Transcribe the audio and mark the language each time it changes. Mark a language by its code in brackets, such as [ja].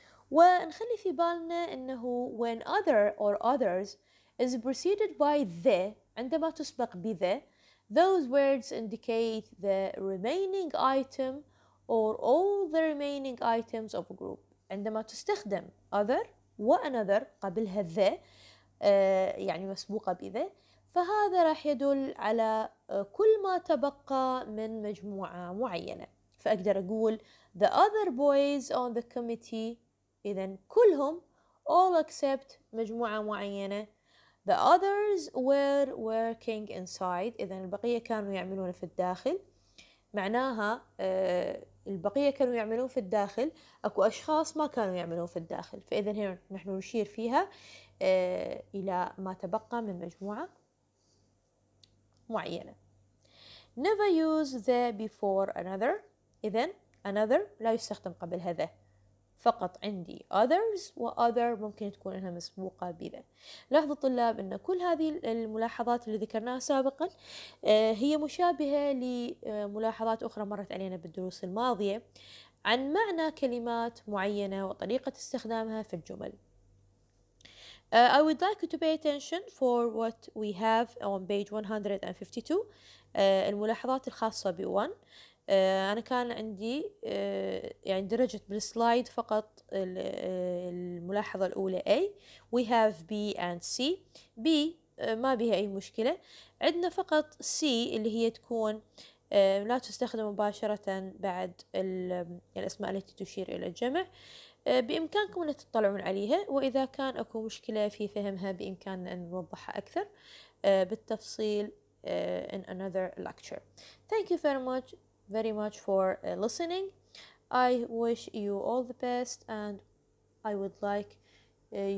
[ar] ونخلي في بالنا إنه [en] when other or others is preceded by the, [ar] عندما تسبق بذا, [en] those words indicate the remaining item or all the remaining items of a group. [ar] عندما تستخدم other وanother قبلها the يعني مسبوقة بذا, فهذا راح يدل على كل ما تبقى من مجموعة معينة. فأقدر أقول [en] the other boys on the committee, [ar] إذن كلهم, [en] all except [ar] مجموعة معينة. [en] The others were working inside. [ar] إذن البقية كانوا يعملون في الداخل. معناها البقية كانوا يعملون في الداخل. أكو أشخاص ما كانوا يعملون في الداخل. فإذن هنا نحن نشير فيها إلى ما تبقى من مجموعة معينة. [en] Never use the before another. [ar] إذن another لا يستخدم قبل هذا. فقط عندي others و other ممكن تكون إنها مسبوقة بذا. لاحظوا الطلاب أن كل هذه الملاحظات اللي ذكرناها سابقا هي مشابهة لملاحظات أخرى مرت علينا بالدروس الماضية عن معنى كلمات معينة وطريقة استخدامها في الجمل. [en] I would like you to pay attention for what we have on page 152, [ar] الملاحظات الخاصة ب1. أنا كان عندي يعني درجة بالسلايد فقط الملاحظة الأولى A. [en] We have B and C. B [ar] ما بها أي مشكلة. عندنا فقط C اللي هي تكون لا تستخدم مباشرة بعد الأسماء التي تشير إلى الجمع. بإمكانكم أن تطلعون عليها, وإذا كان أكو مشكلة في فهمها بإمكاننا أن نوضحها أكثر بالتفصيل [en] in another lecture. Thank you very much for listening. I wish you all the best, and I would like you to pay attention for the content of this lecture.